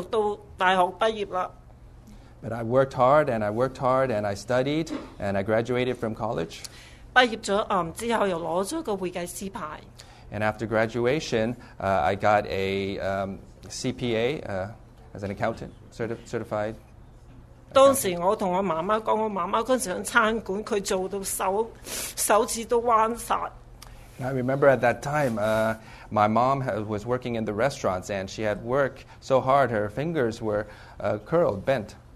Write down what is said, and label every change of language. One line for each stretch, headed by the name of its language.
Chinese: 我一直這樣捱,一直這樣讀,讀到大學畢業了。But
English: I worked hard, and I worked hard, and I studied, and I graduated from college.
Chinese: 畢業了,之後又拿了一個會計師牌。
English: And after graduation, I got a CPA as an accountant, certified.
Chinese: 當時我跟我媽媽說,我媽媽那時候在餐館,她做到手指都彎了。
English: I remember at that time, my mom was working in the restaurants, and she had worked so hard, her fingers were curled, bent.